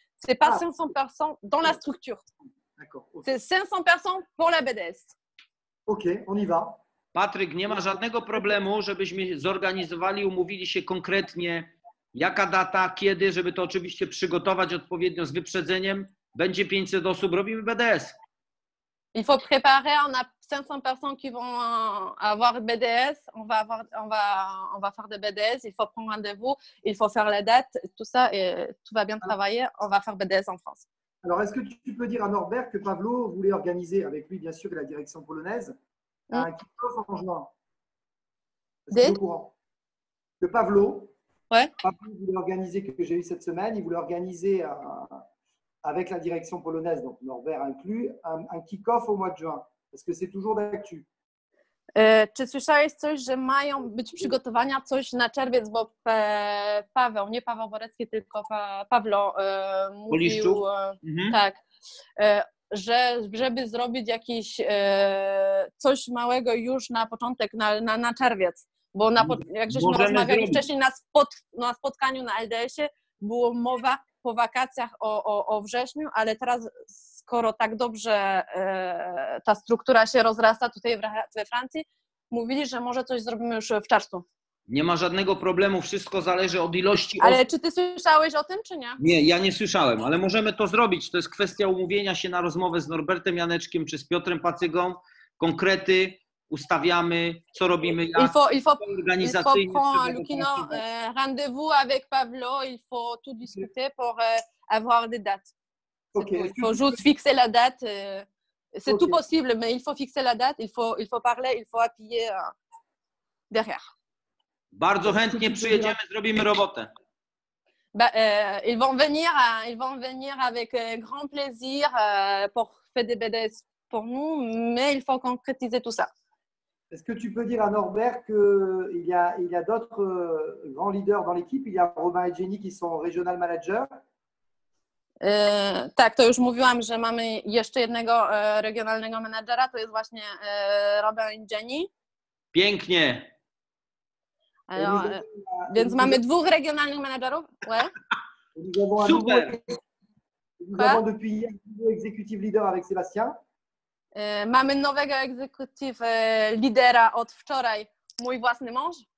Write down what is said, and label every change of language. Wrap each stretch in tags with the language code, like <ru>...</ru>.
<fr>C'est pas 500 personnes dans la structure. D'accord. Okay. C'est 500 personnes pour la BDS. OK, on y va.</fr> <pl>Patryk, nie ma żadnego problemu, żebyśmy zorganizowali, umówili się konkretnie, jaka data, kiedy, żeby to oczywiście przygotować odpowiednio z wyprzedzeniem. Będzie 500 osób, robimy BDS.</pl> <fr>Il faut préparer, on a 500 personnes qui vont avoir BDS, on va faire des BDS, il faut prendre rendez-vous, il faut faire la date, tout ça, et tout va bien travailler, on va faire BDS en France. Alors, est-ce que tu peux dire à Norbert que Pablo voulait organiser avec lui, bien sûr, la direction polonaise, un kick-off en juin? Que Pablo, ouais. Pablo voulait organiser, que j'ai eu cette semaine, il voulait organiser avec la direction polonaise, donc Norbert inclus, un kick-off au mois de juin. Parce que c'est toujours d'actu.</fr> <pl>Czy słyszałeś coś, że mają być przygotowania coś na czerwiec, bo Paweł, nie Paweł Borecki, tylko Pawlo mówił, tak, że żeby zrobić jakieś coś małego już na początek, na czerwiec, bo jak żeśmy rozmawiali wcześniej na spotkaniu na LDS-ie, była mowa po wakacjach o wrześniu, ale teraz skoro tak dobrze ta struktura się rozrasta tutaj we Francji, mówili, że może coś zrobimy już w czerwcu. Nie ma żadnego problemu, wszystko zależy od ilości osób. Ale czy ty słyszałeś o tym, czy nie? Nie, ja nie słyszałem, ale możemy to zrobić. To jest kwestia umówienia się na rozmowę z Norbertem Janeczkiem czy z Piotrem Pacygą. Konkrety ustawiamy, co robimy, jak organizacyjnie.</pl> <fr>Il faut prendre Lukino, rendez-vous avec Pablo, il faut tout discuter pour avoir des dates. Okay. Il faut juste fixer la date. C'est okay. Tout possible, mais il faut fixer la date, il faut parler, il faut appuyer derrière.</fr> <pl>Bardzo chętnie przyjedziemy, zrobimy robotę.</pl> <fr>Ils vont venir avec grand plaisir pour faire des BDS pour nous, mais il faut concrétiser tout ça. Est-ce que tu peux dire à Norbert qu'il y a, d'autres grands leaders dans l'équipe? Il y a Robin et Jenny qui sont régional manager.</fr> <pl>Tak, to już mówiłam, że mamy jeszcze jednego regionalnego menadżera, to jest właśnie Robin Jenny. Pięknie. Więc mamy dwóch regionalnych menadżerów.</pl> <fr>Ouais. Super. Nous avons depuis hier un nouveau executive leader avec Sébastien.</fr> <pl>Mamy nowego executive lidera od wczoraj, mój własny mąż.</pl>